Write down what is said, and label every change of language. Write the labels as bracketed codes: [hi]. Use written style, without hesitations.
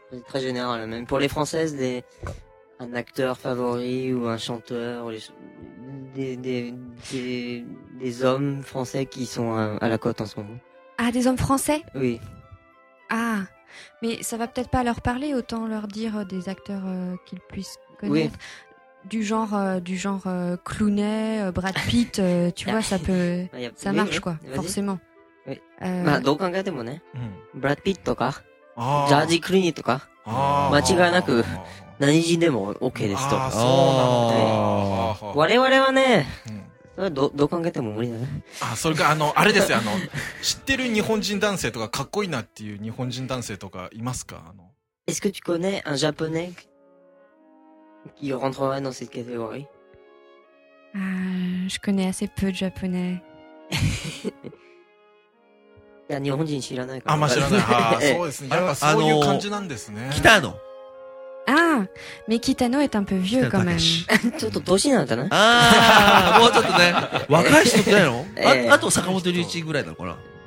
[fr] Très général, même pour les Françaises, un acteur favori ou un chanteur, des hommes français qui sont à la cote en ce moment. Ah, des hommes français? Oui. Ah, mais ça va peut-être pas leur parler, autant leur dire des acteurs qu'ils puissent connaître. Oui. Du genre Clooney, Brad Pitt, tu vois, ça peut. Ça marche, quoi, forcément. [ja] まあ、どう考えてもね、うん、ブラッド・ピットとか、ジャージ・クリーニーとか、間違いなく、何人でも OK ですと。あ、そうなんで。我々はね、うん、それはどう考えても無理だね。あ、それか、あれですよ、知ってる日本人男性とか、かっこいいなっていう日本人男性とかいますか？ [fr] Est-ce que tu connais un japonais qui rentrerait dans cette catégorie? Je connais assez peu de japonais. [ja] いや、日本人知らないから。あ、まあ、知らない。あ、そうですね。やっぱそういう感じなんですね。キタノ。ああ、メキタノエタンプビューかも。ちょっと年なんかな。ああ、もうちょっとね。若い人じゃないの？あと坂本龍一ぐらいなのかな。